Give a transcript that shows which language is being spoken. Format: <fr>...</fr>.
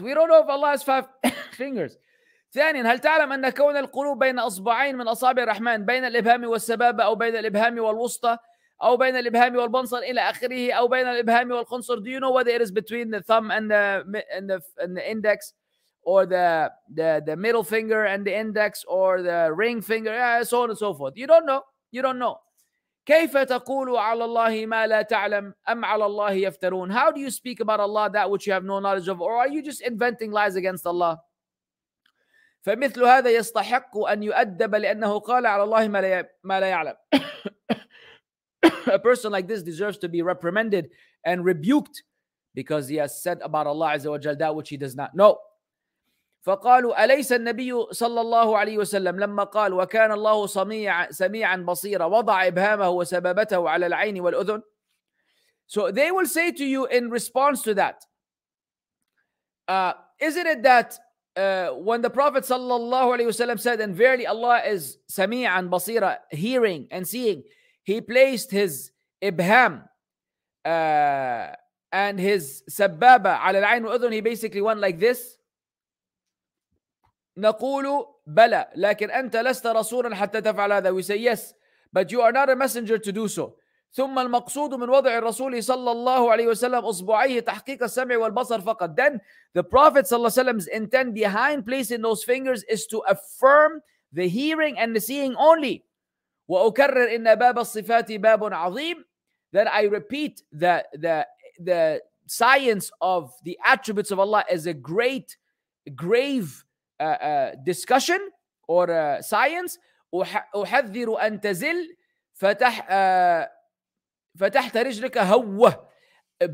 <en>We don't know if Allah has five fingers.</en> <ar>ثانياً, هل تعلم أن كون القلوب بين أصبعين من أصابع الرحمن بين الإبهام والسبابة أو بين الإبهام والوسطى أو بين الإبهام والبنصر إلى آخره أو بين الإبهام والخنصر.</ar> <en>Do you know whether it is between the thumb and the index? Or the middle finger and the index, or the ring finger, so on and so forth. You don't know.</en> <ar>كيف تقول على الله ما لا تعلم أم على الله يفترون.</ar> <en>How do you speak about Allah that which you have no knowledge of, or are you just inventing lies against Allah?</en> <ar>فمثل هذا يستحق أن يؤدب لأنه قال على الله ما لا يعلم.</ar> <en>A person like this deserves to be reprimanded and rebuked because he has said about Allah عز وجل that which he does not know.</en> <ar>فقالوا أليس النبي صلى الله عليه وسلم لما قال وكان الله سميعا بصيرا وضع إبهامه وسببته على العين والأذن.</ar> <en>So they will say to you in response to that, isn't it that when the Prophet sallallahu alayhi wasallam said, and verily Allah is</en> <ar>sami'an basira,</ar> <en>hearing and seeing, he placed his ibham and his sababa</en> <ar>ala al-ayn wa-udhun,</ar> <en>he basically went like this.</en> <ar>Naqulu bala, lakin anta lasta rasulan hatta taf'al hadha.</ar> <en>We say yes, but you are not a messenger to do so.</en> <ar>ثم المقصود من وضع الرسول صلى الله عليه وسلم أصبعيه تحقيق السمع والبصر فقط.</ar> <en>Then the Prophet صلى الله عليه وسلم's intent behind placing those fingers is to affirm the hearing and the seeing only.</en> <ar>وأكرر إن باب الصفات باب عظيم.</ar> <en>Then I repeat that the science of the attributes of Allah is a great grave discussion or science.</en> <ar>أحذر أن تزل فتح فتحت رجلك هوا.</ar>